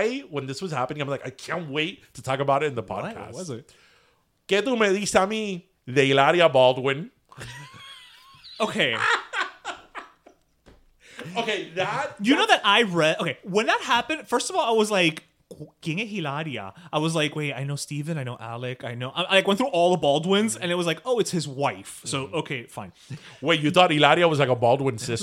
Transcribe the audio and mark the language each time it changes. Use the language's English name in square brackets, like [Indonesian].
[English] When this was happening, I'm like, I can't wait to talk about it in the podcast. What was it? [Spanish] ¿Qué tú me dices a mí de Hilaria Baldwin? [English] Okay. Okay, okay, when that happened, first of all, I was like, [Spanish] ¿Quién es Hilaria? [English] I was like, wait, I know Steven, I know Alec, I know. I like went through all the Baldwins, and it was like, oh, it's his wife. So, okay, fine. Wait, you thought Hilaria was like a Baldwin sister?